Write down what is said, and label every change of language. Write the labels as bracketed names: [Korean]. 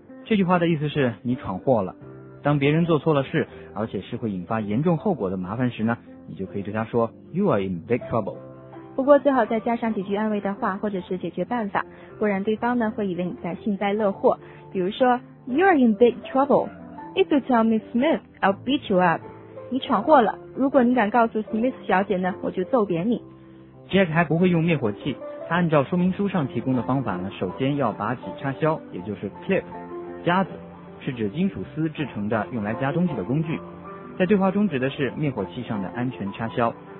[Chinese] 这句话的意思是你闯祸了。当别人做错了事，而且是会引发严重后果的麻烦时呢，你就可以对他说 [English] You are in big trouble. [Chinese] 不过最好再加上几句安慰的话或者是解决办法，不然对方呢会以为你在幸灾乐祸。比如说 [English] You're in big trouble. If you tell Miss Smith, I'll beat you up. [Chinese] 你闯祸了，如果你敢告诉 Smith 小姐呢，我就揍扁你。 Jack 还不会用灭火器，他按照说明书上提供的方法呢，首先要把几叉销，也就是 clip 夹子，是指金属丝制成的用来夹东西的工具，在对话中指的是灭火器上的安全叉销。